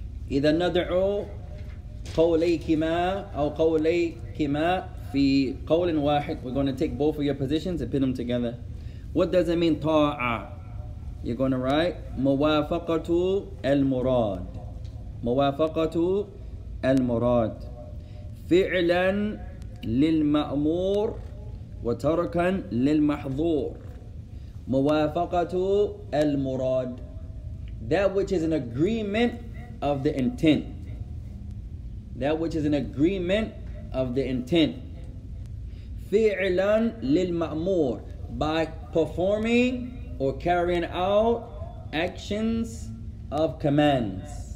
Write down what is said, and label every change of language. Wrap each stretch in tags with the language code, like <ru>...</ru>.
<ar>إذا ندعو قوليكما أو قوليكما في قول واحد.</ar> <en>We're going to take both of your positions and pin them together. What does it mean, طاعة? You're going to write,</en> <ar>موافقة المراد. موافقة المراد. فعلا للمأمور وتركا للمحظور. موافقة المراد.</ar> <en>That which is an agreement of the intent. That which is an agreement of the intent.</en> <ar>فعلا للمأمور.</ar> <en>By performing or carrying out actions of commands.</en>